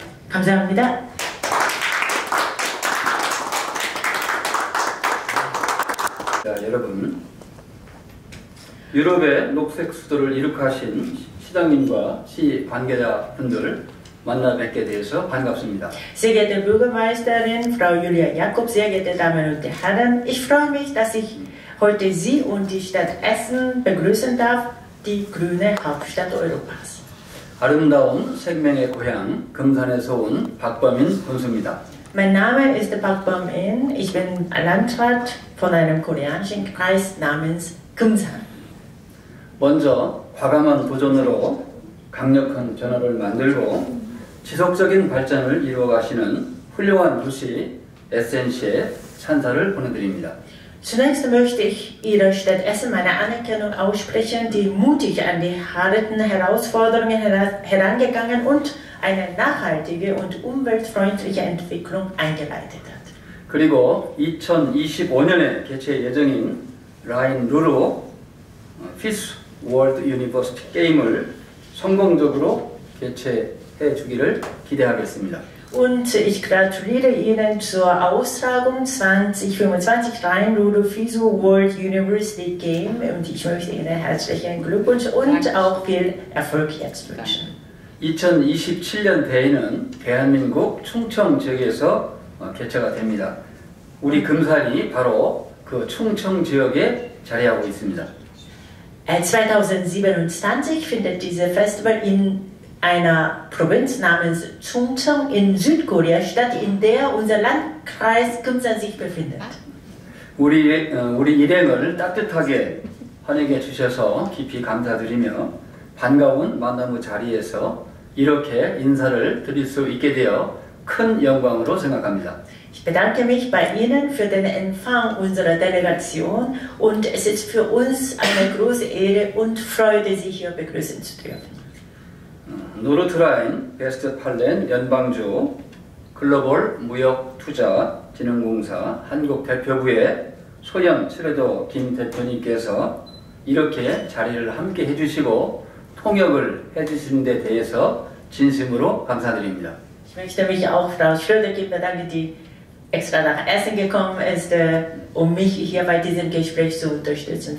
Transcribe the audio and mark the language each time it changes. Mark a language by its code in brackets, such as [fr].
[ko] 감사합니다. Ja, 여러분, 유럽의 녹색 수도를 이룩하신 시장님과 시 관계자분들 만나 뵙게 되어서 반갑습니다. [de] Sehr geehrte Bürgermeisterin Frau Julia Jakob, sehr geehrte Damen und Herren, ich freue mich, dass ich heute Sie und die Stadt Essen begrüßen darf, die grüne Hauptstadt Europas. [ko] 아름다운 생명의 고향 금산에서 온 박범인 군수입니다. [de] Mein Name ist Park Bom-in. Ich bin Landrat von einem koreanischen Kreis namens Geumsan. [ko] 먼저 과감한 도전으로 강력한 변화를 만들고 지속적인 발전을 이루어가시는 훌륭한 도시 SNC에 찬사를 보내드립니다. [de] Zunächst möchte ich Ihrer Stadt Essen meine Anerkennung aussprechen, die mutig an die harten Herausforderungen herangegangen und eine nachhaltige und umweltfreundliche Entwicklung eingeleitet hat. [ko] 그리고 2025년에 개최 예정인 라인루루 피스 월드 유니버스 게임을 성공적으로 개최해 주기를 기대하겠습니다. [de] Und ich gratuliere Ihnen zur Austragung 2025 Rhein-Ruhr FISU World University Game und ich möchte Ihnen herzlichen Glückwunsch und auch viel Erfolg jetzt wünschen. [ko] 2027년 대회는 대한민국 충청 지역에서 개최가 됩니다. 우리 금산이 바로 그 충청 지역에 자리하고 있습니다. [de] 2027 findet dieses Festival in einer Provinz namens Chungcheong in Südkorea statt, in der unser Landkreis Geumsan sich befindet. [ko] 우리 일행을 따뜻하게 환영해 주셔서 깊이 감사드리며 반가운 만남의 자리에서 이렇게 인사를 드릴 수 있게 되어 큰 영광으로 생각합니다. [de] Ich bedanke mich bei Ihnen für den Empfang unserer Delegation und es ist für uns eine große Ehre und Freude, Sie hier begrüßen zu dürfen. [ko] 노르트라인 베스트팔렌 연방주 글로벌 무역투자진흥공사 한국대표부의 소영 최레도 김 대표님께서 이렇게 자리를 함께 해주시고 통역을 해주신 데 대해서 진심으로 감사드립니다. [de] Ich möchte mich auch Frau Schröder bedanken, die extra nach Essen gekommen ist, um mich hier bei diesem Gespräch zu unterstützen.